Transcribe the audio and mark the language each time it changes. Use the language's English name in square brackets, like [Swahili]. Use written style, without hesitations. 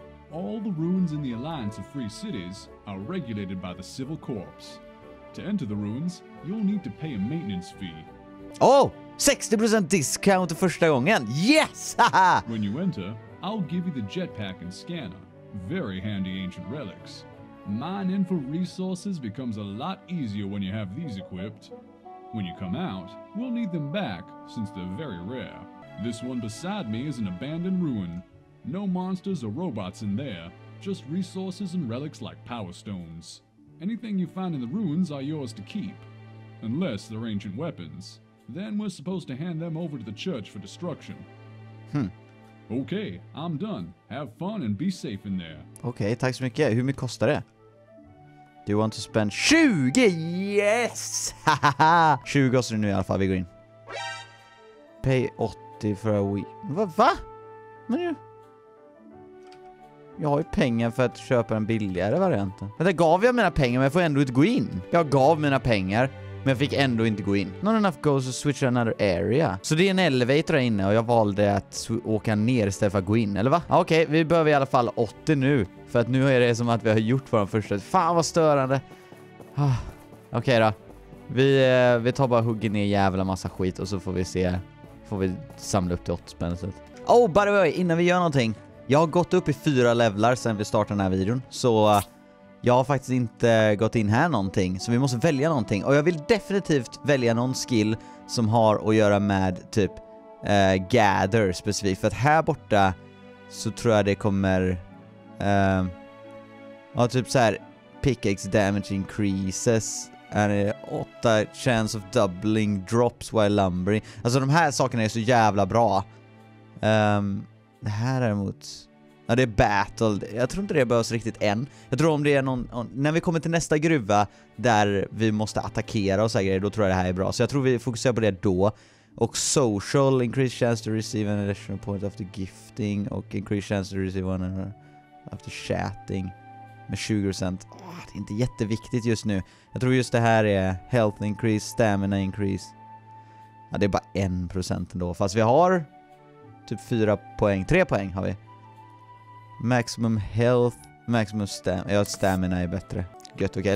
[English] All the ruins in the Alliance of Free Cities are regulated by the Civil Corps. To enter the ruins, you'll need to pay a maintenance fee. Oh! [Swedish] 60% discount första gången! [English] Yes! When you enter, I'll give you the jetpack and scanner. Very handy ancient relics. Mining for resources becomes a lot easier when you have these equipped. When you come out, we'll need them back, since they're very rare. This one beside me is an abandoned ruin. No monsters or robots in there, just resources and relics like power stones. Anything you find in the ruins are yours to keep, unless they're ancient weapons. Then we're supposed to hand them over to the church for destruction. Okej, okay, I'm done. Have fun and be safe in there. [Swedish] Okej, okay, tack så mycket. Hur mycket kostar det? [English] Do you want to spend 20? Yes! [Swedish] 20 kostar det nu i alla fall. Vi går in. [English] pay 80 for a week. [Swedish] Va? Men ju... Jag har ju pengar för att köpa den billigare varianten. Men där gav jag mina pengar, men jag får ändå inte gå in. Jag gav mina pengar, men jag fick ändå inte gå in. [English] Not enough goes to switch another area. [Swedish] Så det är en elevator där inne och jag valde att åka ner istället för att gå in, eller va? Okej, vi behöver i alla fall 80 nu. För att nu är det som att vi har gjort vår första... Fan vad störande. Okej då. Vi tar bara hugger ner jävla massa skit och så får vi se. Får vi samla upp till 80 spänn. [English] Oh, by the way, [Swedish] innan vi gör någonting. Jag har gått upp i 4 levlar sedan vi startade den här videon. Så jag har faktiskt inte gått in här någonting. Så vi måste välja någonting. Och jag vill definitivt välja någon skill som har att göra med typ gather specifikt. För att här borta så tror jag det kommer... typ så här, [English] pickaxe damage increases. And 8 chance of doubling drops while lumbering. [Swedish] Alltså de här sakerna är så jävla bra. Det här däremot, ja, det är battle. Jag tror inte det behövs riktigt än. Jag tror om det är någon, när vi kommer till nästa gruva där vi måste attackera och så här grejer, då tror jag det här är bra. Så jag tror vi fokuserar på det då. [English] Och social, increased chance to receive an additional point after gifting. Och increased chance to receive one after chatting med 20%. [Swedish] Det är inte jätteviktigt just nu. Jag tror just det här är health increase, stamina increase. Ja, det är bara 1% ändå. Fast vi har typ 4 poäng. 3 poäng har vi. Maximum health, maximum stamina. Ja, stamina är bättre. Gött, okej. Okay.